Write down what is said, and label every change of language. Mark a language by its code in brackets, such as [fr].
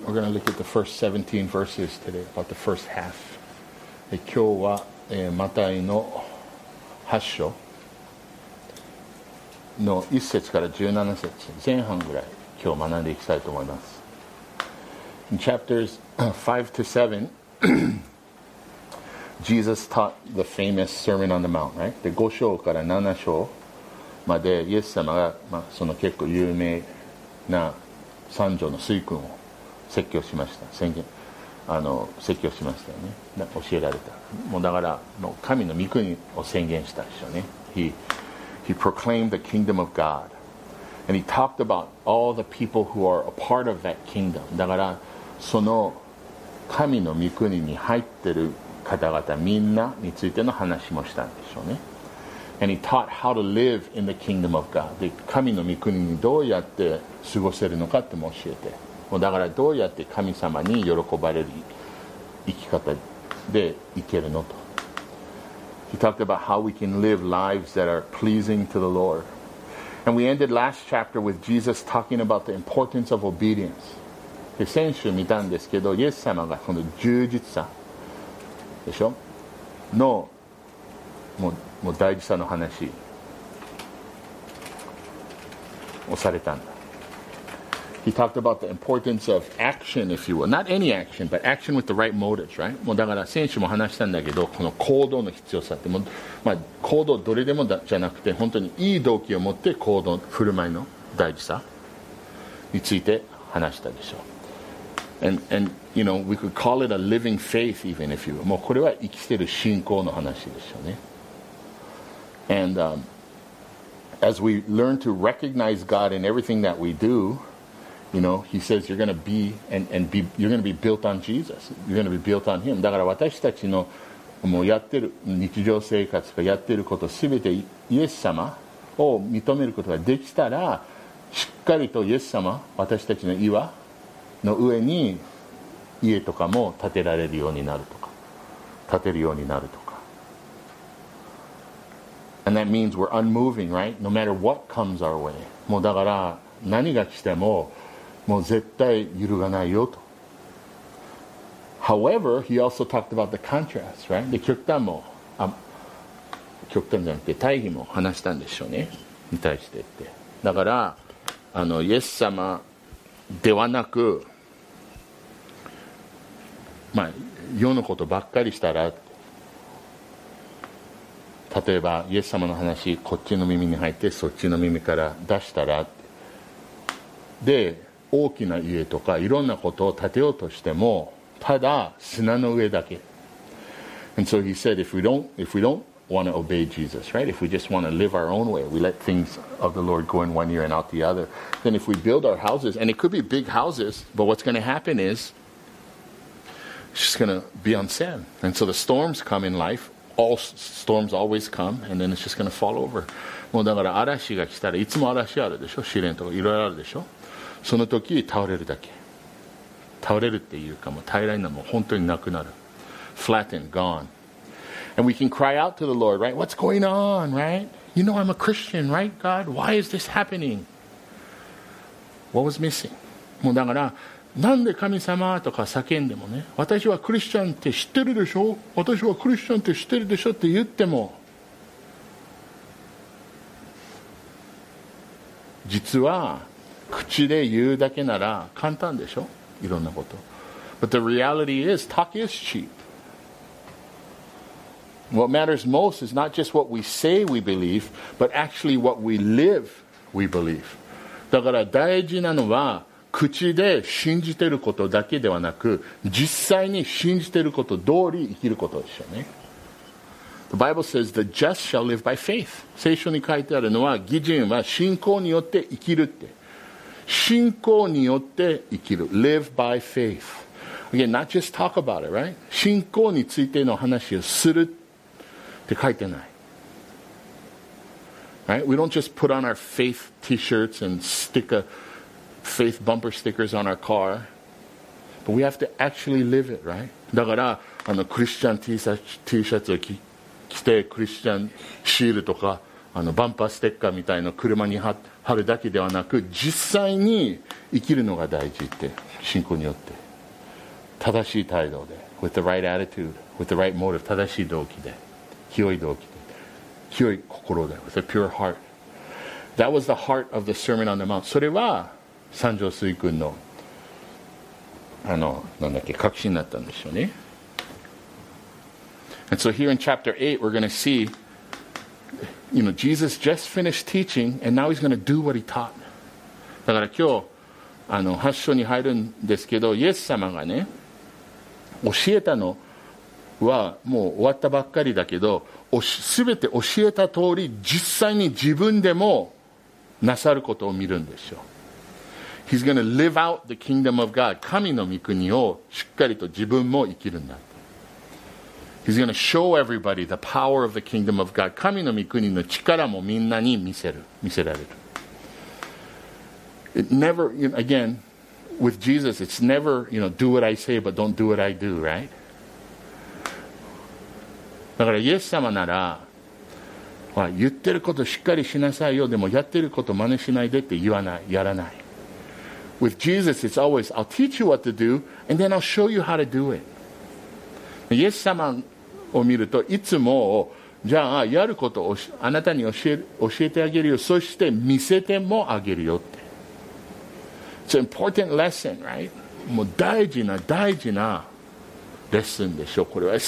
[en] We're going to look at the first 17 verses today, about the first half. [ja] 今日はマタイの8章の1節から17節、前半ぐらい今日学んでいきたいと思います。 [en] In chapters 5 to 7, Jesus taught the famous Sermon on the Mount, right? [ja] で、5章から7章まで、イエス様が、まあ、その結構有名な三条の水君を説教しました。宣言、説教しましたよね。教えられた。もうだから、もう神の御国を宣言したでしょうね。 [en] He proclaimed the kingdom of God. And he talked about all the people who are a part of that kingdom. [ja] だから、その神の御国に入ってる方々みんなについての話もしたんでしょうね。 [en] And he taught how to live in the kingdom of God. [ja] で、神の御国にどうやって過ごせるのかっても教えて。もうだからどうやって神様に喜ばれる生き方でいけるのと。 [en] He talked about how we can live lives that are pleasing to the Lord. And we ended last chapter with Jesus talking about the importance of obedience. [ja] で、先週見たんですけど、イエス様がその忠実さでしょの、もう大事さの話をされたんだ。 [en] He talked about the importance of action, if you will. Not any action, but action with the right motives, right? [ja] もうだから先週も話したんだけど、この行動の必要さって、もまあ、行動どれでもじゃなくて、本当にいい動機を持って行動、振る舞いの大事さについて話したでしょう。 [en] And, you know, we could call it a living faith, even if you will. [ja] もうこれは生きてる信仰の話でしょうね。 [en] And as we learn to recognize God in everything that we do, you know, he says you're going to be, and be, you're going to be built on Jesus. You're going to be built on him. [ja] だから私たちのもうやってる日常生活がやってることすべてイエス様を認めることができたら、しっかりとイエス様、私たちの岩の上に家とかも建てられるようになるとか、建てるようになるとか。 [en] And that means we're unmoving, right? No matter what comes our way. [ja] もうだから何が来ても、もう絶対揺るがないよと。 [en] However, he also talked about the contrast, right? [ja] で、極端も、極端じゃなくて対比も話したんでしょうね。に対してって。だから、イエス様ではなく、まあ、世のことばっかりしたら、例えばイエス様の話こっちの耳に入ってそっちの耳から出したら、で大きな家とかいろんなことを建てようとしてもただ砂の上だけ。 [en] And so he said if we don't want to obey Jesus, right? If we just want to live our own way, we let things of the Lord go in one ear and out the other, then if we build our houses, and it could be big houses, but what's going to happen is she's going to be on sand. And so the storms come in lifeAll storms always come, and then it's just going to fall over. [ja] もうだから嵐が来たらいつも嵐あるでしょ。試練とかいろいろあるでしょ。その時倒れるだけ。倒れるっていうかもう平らになる、もう本当になくなる。 [en] Flattened, gone. And we can cry out to the Lord, right? What's going on, right? You know I'm a Christian, right, God? Why is this happening? What was missing? [ja] もうだからなんで神様とか叫んでもね、私はクリスチャンって知ってるでしょ、私はクリスチャンって知ってるでしょって言っても実は口で言うだけなら簡単でしょ、いろんなこと。 [en] But the reality is talk is cheap. What matters most is not just what we say we believe, but actually what we live we believe. [ja] だから大事なのは口で信じてることだけではなく、実際に信じてること通り生きることでしょうね。 [en] The Bible says the just shall live by faith. [ja] 聖書に書いてあるのは、義人は信仰によって生きるって。信仰によって生きる。 [en] Live by faith. Again, not just talk about it, right? [ja] 信仰についての話をするって書いてない。 [en] Right? We don't just put on our faith t-shirts and stick a... faith bumper stickers on our car, but we have to actually live it, right? [ja] だからクリスチャン T シャツを着てクリスチャンシールとかあのバンパーステッカーみたいな車に貼るだけではなく、実際に生きるのが大事って、信仰によって正しい態度で、 [en] with the right attitude, with the right motive, [ja] 正しい動機で、清い動機で、清い心で、 [en] with a pure heart. That was the heart of the Sermon on the Mount. [ja] それは三条水君の、あの、なんだっけ、確信だったんでしょうね。 [en] And so here in chapter 8 we're going to see, you know, Jesus just finished teaching and now he's going to do what he taught. [ja] だから今日あの8章に入るんですけど、イエス様がね、教えたのはもう終わったばっかりだけど、全て教えた通り実際に自分でもなさることを見るんでしょう。 [en] He's going to live out the kingdom of God. [ja] 神の御国をしっかりと自分も生きるんだ。 [en] He's going to show everybody the power of the kingdom of God. [ja] 神の御国の力もみんなに見せる、見せられる。 [en] It never, you know, again, with Jesus, it's never, you know, do what I say, but don't do what I do, right? [ja] だからイエス様なら、言ってることしっかりしなさいよ、でもやってること真似しないでって言わない、やらない。 [en] With Jesus, it's always, I'll teach you what to do, and then I'll show you how to do it. [ja] イエス様を見ると、いつも、じゃあ、やることをあなたに教えてあげるよ、そして見せてもあげるよって。 [en] It's an important lesson, right? [ja] もう大事な、大事なレッスンでしょう、これは。